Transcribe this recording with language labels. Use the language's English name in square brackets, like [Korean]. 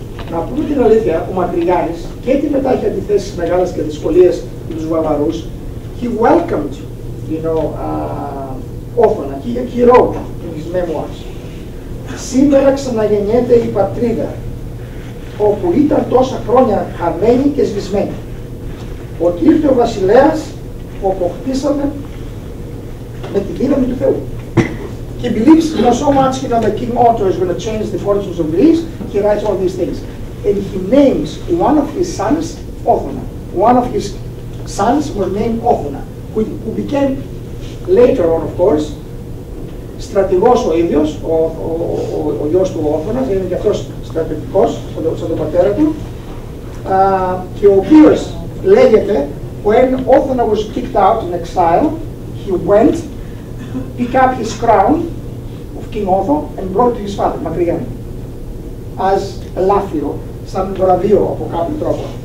[Greek] Να πούμε την αλήθεια, ο Μακρυγιάννης και τη μετά είχε αντιθέσεις μεγάλες και δυσκολίες με τους Βαβαρούς. [English] He welcomed, you know, Όφωνα. He wrote in his memoirs. [Greek] Σήμερα ξαναγεννιέται η πατρίδα, όπου ήταν τόσα χρόνια χαμένη και σβησμένη. Ότι ήρθε ο βασιλέας, που αποκτήσαμε με τη δύναμη του Θεού. [English] He believes, you know, so much, you know, that King Otto is going to change the fortunes of Greece, he writes all these things. And he names one of his sons, Othona. One of his sons was named Othona, who became later on, of course, [Greek] στρατηγός ο ίδιος, ο γιος του Όθωνας, είναι και αυτός στρατηγικός, σαν τον πατέρα του, και ο οποίος λέγεται, [English] when Othona was kicked out in exile, he went, picked up his crown of King Otho and brought it to his father, Μακρυγιάννη, as a [Greek] λάφυρο, σαν βραβείο από κάποιο τρόπο.